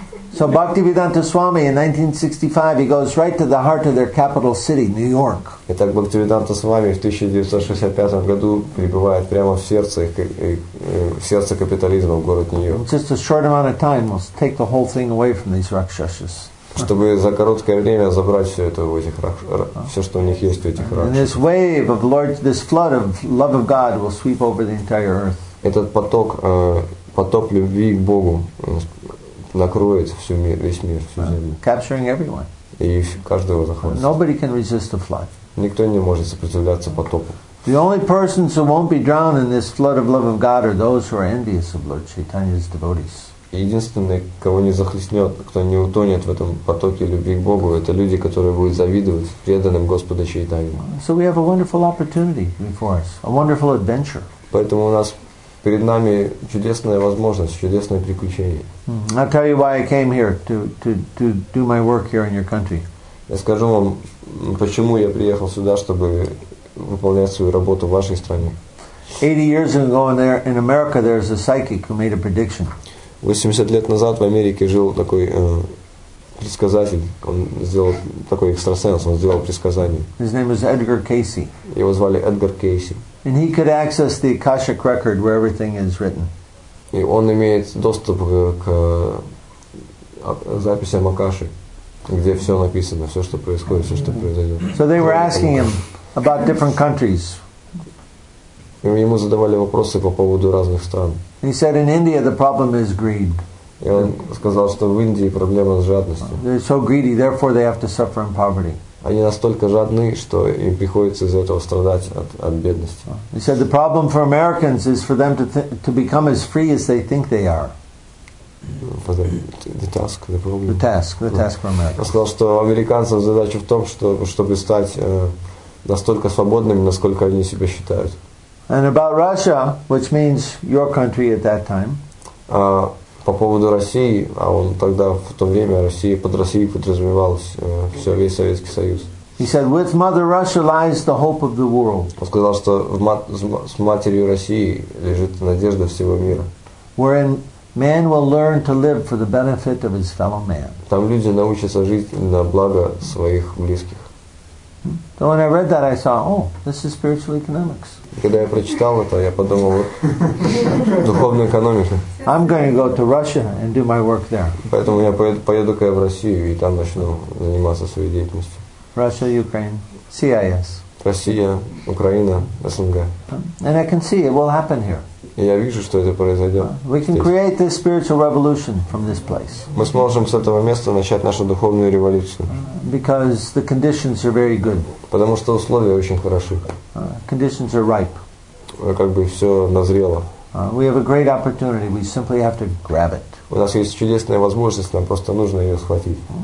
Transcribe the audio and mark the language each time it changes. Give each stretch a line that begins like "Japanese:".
English: So Bhaktivedanta Swami in 1965 he goes right to the heart of their capital city, New York.
Russian: Итак, Бхактивиданта Свами в 1965 году прибывает прямо в сердце капитализма в город Нью-Йорк.
English: Just a short amount of time will take the whole thing away from these ракшасис.
Russian: Чтобы за короткое время забрать все это у этих все, что у них есть у этих ракшасис.
English: And this wave of Lord, this flood of love of God will sweep over the entire earth.
Russian: Этот поток любви к Богу накроет всю мир, весь мир, всю землю.
English: Capturing everyone.
Russian: И каждого захватит.
English: Nobody can resist the flood.
Russian: Никто не может сопротивляться потопу.
English: The only persons who won't be drowned in this flood of love of God are those who are envious of Lord Chaitanya's devotees.
Russian: Единственные, кого не захлестнет, кто не утонет в этом потоке любви к Богу, это люди, которые будут завидовать преданным Господа Чайтани.
English: So we have a wonderful opportunity before us, a wonderful adventure.
Russian: Поэтому у нас перед нами чудесная возможность, чудесное приключение.
English: I'll tell you why I came here to do my work here in your country.
Russian: Я скажу вам, почему я приехал сюда, чтобы выполнять свою работу в вашей стране.
English: 80 years ago in America there is a psychic who made a prediction.
Russian: 80 лет назад в Америке жил такой предсказатель. Он сделал такой экстрасенс, он сделал предсказание.
English: His name was Edgar Cayce.
Russian: Его звали Эдгар Кейси.
English: And he could access the Akashic record where everything is written.
Russian: И он имеет доступ к записям Акаши, где все написано, все, что происходит, все, что произойдет.
English: So they were asking him about different countries.
Russian: И ему задавали вопросы по поводу разных стран.
English: He said in India the problem is greed.
Russian: И он сказал, что в Индии проблема с жадностью.
English: They're so greedy, therefore they have to suffer in poverty.
Russian: Они настолько жадны, что им приходится из-за этого страдать от бедности.
English: He said the problem for Americans is for them to become as free as they think they are. The task for Americans.
Russian: Он сказал, что американцам задача в том, чтобы стать настолько свободными, насколько они себя считают.
English: And about Russia, which means your country at that time.
Russian: По поводу России, а он тогда в то время Россия под Россией подразумевалось все весь Советский Союз.
English: He said, "With Mother Russia lies the hope of the world."
Russian: Он сказал, что с матерью России лежит надежда всего мира.
English: Wherein man will learn to live for the benefit of his fellow man.
Russian: Там люди научатся жить на благо своих близких.
English: So when I read that, I saw, oh, this is spiritual economics.
Russian: Когда я прочитал это, я подумал, вот, духовная экономика.
English: I'm going to go to Russia and do my work there.
Russian: Поэтому я поеду-ка я в Россию и там начну заниматься своей деятельностью.
English: Russia, Ukraine, CIS.
Russian: Россия, Украина, СНГ.
English: And I can see it will happen here.
Russian: И я вижу, что это произойдет.
English: We can create this spiritual revolution from this place.
Russian: Мы сможем с этого места начать нашу духовную революцию.
English: Because the conditions are very good.
Russian: Потому что условия очень хороши.
English: Conditions are ripe.
Russian: Как бы все назрело.
English: We have a great opportunity. We simply have to grab it.
Russian: У нас есть чудесная возможность, нам просто нужно ее схватить.